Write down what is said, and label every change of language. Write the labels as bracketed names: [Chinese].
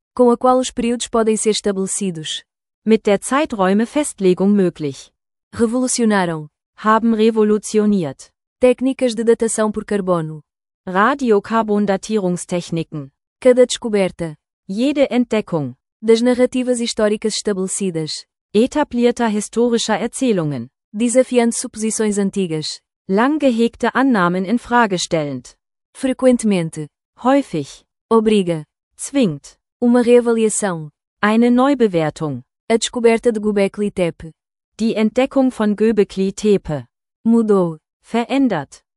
[Portuguese] Com a qual os períodos podem ser estabelecidos. [German] Mit der Zeiträumefestlegung möglich. [Portuguese] Revolucionaram. [German] Haben revolutioniert. [Portuguese] Técnicas de datação por carbono. [German] Radiocarbon-Datierungstechniken. [Portuguese] Cada descoberta. [German] Jede Entdeckung. [Portuguese] Das narrativas históricas estabelecidas. [German] Etablierter historischer Erzählungen. [Portuguese] Desafiando suposições antigas. [German] Lang gehegte Annahmen in Frage stellend. [Portuguese] Frequentemente. [German] Häufig. [Portuguese] Obriga. [German] Zwingt. [Portuguese] Uma reavaliação. [German] Eine Neubewertung. [Portuguese] A descoberta de Göbekli Tepe. [German] Die Entdeckung von Göbekli Tepe. [Portuguese] Mudou. [German] Verändert.